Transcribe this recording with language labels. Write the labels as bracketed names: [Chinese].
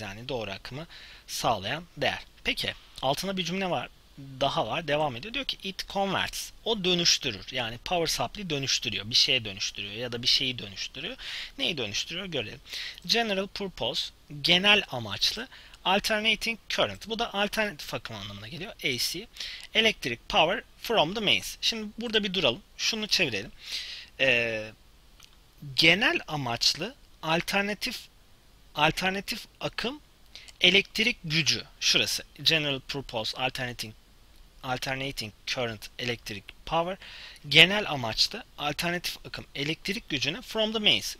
[Turkish] Yani doğru akımı sağlayan değer. Peki altında bir cümle var. Daha var, devam ediyor. Diyor ki [English] it converts, [Turkish] o dönüştürür. Yani power supply dönüştürüyor, bir şeye dönüştürüyor ya da bir şeyi dönüştürüyor. Neyi dönüştürüyor görelim. [English] General purpose, [Turkish] genel amaçlı. [English] Alternating current, [Turkish] bu da alternatif akım anlamına geliyor. [English] AC, electric power from the mains. [Turkish] Şimdi burada bir duralım, şunu çevirelim. Genel amaçlı alternatif akım elektrik gücü, şurası [English] general purpose alternating current electric power, [Turkish] genel amaçlı alternatif akım elektrik gücünü [English] from the mains.